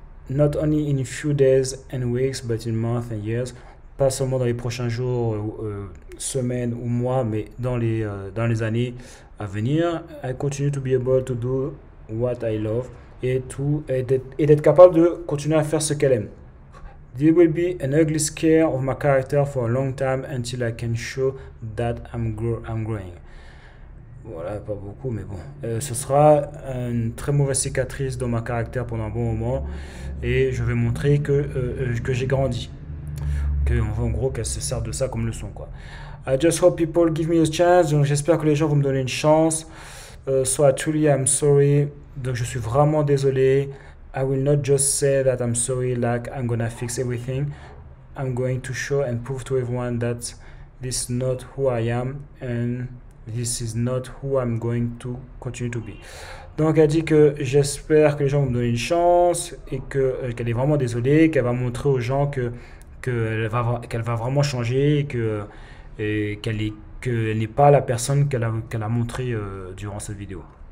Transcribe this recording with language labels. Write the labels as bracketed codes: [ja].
[en] Not only in a few days and weeks, but in months and years. [fr] Pas seulement dans les prochains jours, semaines ou mois, mais dans les années à venir. [en] I continue to be able to do what I love [fr] et d'être capable de continuer à faire ce qu'elle aime. [en] There will be an ugly scare of my character for a long time until I can show that I'm growing. [fr] Voilà, pas beaucoup, mais bon. Ce sera une très mauvaise cicatrice dans ma caractère pendant un bon moment. Et je vais montrer que j'ai grandi. Que, en gros, qu'elle se sert de ça comme leçon, quoi. [en] I just hope people give me a chance. [fr] Donc, j'espère que les gens vont me donner une chance. [en] So I truly am sorry. [fr] Donc, je suis vraiment désolé. [en] I will not just say that I'm sorry, like I'm gonna fix everything. I'm going to show and prove to everyone that this is not who I am and this is not who I'm going to continue to be. [fr] Donc elle dit que j'espère que les gens vont me donner une chance et qu'elle est vraiment désolée, qu'elle va montrer aux gens qu'elle va vraiment changer et qu'elle n'est pas la personne qu'elle a montré durant cette vidéo.